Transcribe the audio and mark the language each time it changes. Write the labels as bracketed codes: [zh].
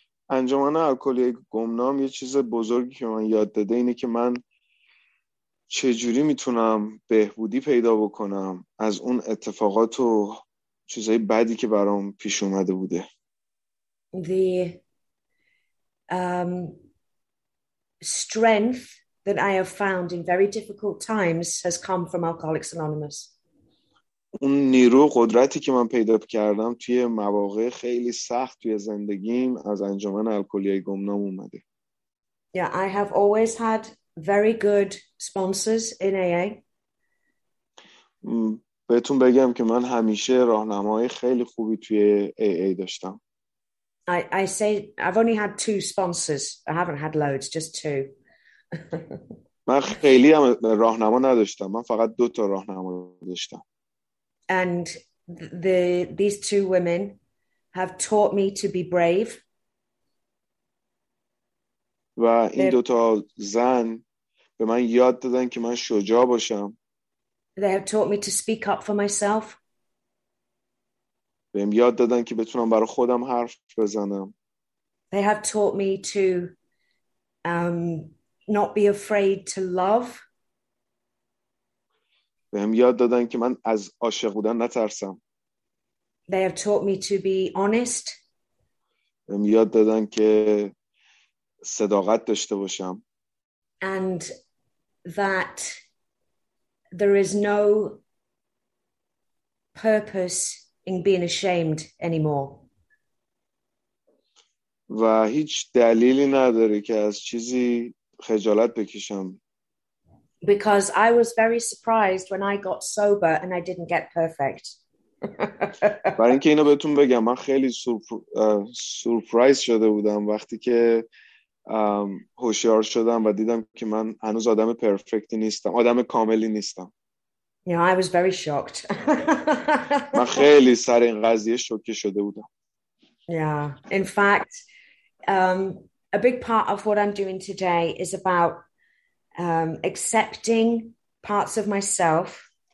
[fa] انجمن الکلی گمنام یه چیز بزرگی که من یاد داده اینه که من چجوری میتونم بهبودی پیدا بکنم از اون اتفاقات و چیزهای بدی که برام پیش اومده بوده. [en] The strength that I have found in very difficult times has come from Alcoholics Anonymous. [fa] اون نیرو قدرتی که من پیدا کردم توی مواقع خیلی سخت توی زندگیم از انجمن الکلیای گمنام اومده. [en] Yeah, I have always had very good sponsors in AA. [fa] بهتون بگم که من همیشه راهنمای خیلی خوبی توی AA داشتم. [en] I say I've only had two sponsors. I haven't had loads, just two. [fa] من خیلی هم راهنما نداشتم. من فقط دو تا راهنما داشتم. [en] And these two women have taught me to be brave. [fa] و این دو تا زن به من یاد دادن که من شجاع باشم. [en] They have taught me to speak up for myself. [fa] بهم یاد دادن که بتونم برای خودم حرف بزنم. [en] They have taught me to not be afraid to love. [fa] به هم یاد دادن که من از عاشق بودن نترسم. [en] They have taught me to be honest. [fa] به هم یاد دادن که صداقت داشته باشم. [en] And that there is no purpose in being ashamed anymore. [fa] و هیچ دلیلی نداره که از چیزی خجالت بکشم. [en] Because I was very surprised when I got sober and I didn't get perfect. [fa] برای اینکه اینو بهتون بگم، من خیلی سورپرایز شده بودم وقتی که هوشیار شدم و دیدم که من هنوز آدم پرفکتی نیستم، آدم کاملی نیستم. [en] You know, I was very shocked. [fa] من خیلی سر این قضیه شوکه شده بودم. [en] Yeah, in fact, a big part of what I'm doing today is about accepting parts of myself.